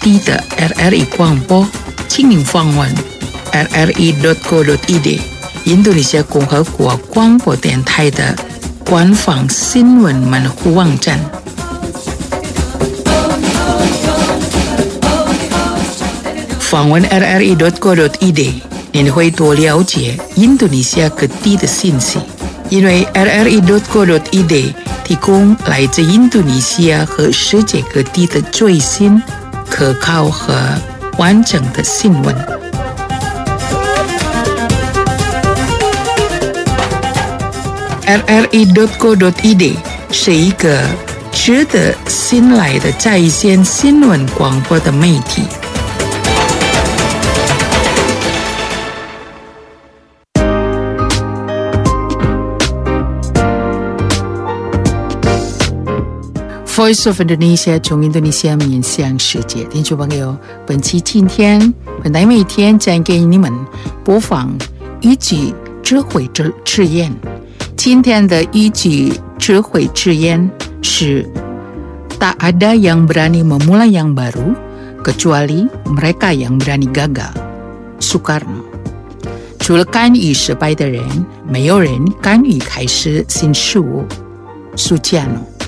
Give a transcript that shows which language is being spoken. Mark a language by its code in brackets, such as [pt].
[en] If you want to hear the news, and listen to Indonesia's voice from Indonesia's RRI广播, please visit rri.co.id, [zh] Indonesia共和国广播电台的官方新闻门户网站。访问rri.co.id， 您会多了解印度尼西亚各地的信息， 因为RRI.co.id 提供来自印度尼西亚和世界各地的最新 可靠和完整的新闻。 RRI.co.id 是一个值得信赖的在线新闻广播的媒体。 Voice of Indonesia 从 Indonesia 面向世界。听众朋友， 本期今天本来每天将给你们播放一句智慧之言。今天的一句智慧之言 是， [id] Tak ada yang berani memulai yang baru kecuali mereka yang berani gagal. [zh] Soekarno. 除了甘于失败的人，没有人甘于开始新事物。苏建龙。